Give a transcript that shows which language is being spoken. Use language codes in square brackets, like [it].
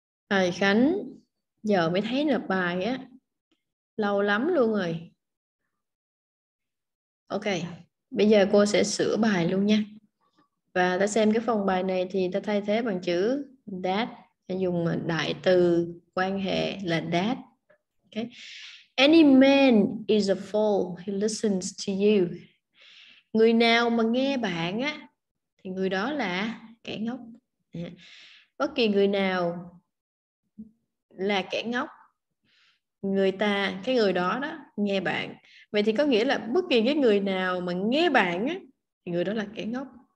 [vi] Thầy Khánh giờ mới thấy nộp bài á, lâu lắm luôn rồi. Ok, bây giờ cô sẽ sửa bài luôn nha. Và ta xem cái phần bài này thì ta thay thế bằng chữ that, dùng đại từ quan hệ là that. [en] Okay. Any man is a fool who listens to you. [vi] Người nào mà nghe bạn á thì người đó là kẻ ngốc. Bất kỳ người nào là kẻ ngốc, người ta, cái người đó đó nghe bạn, vậy thì có nghĩa là bất kỳ cái người nào mà nghe bạn á thì người đó là kẻ ngốc.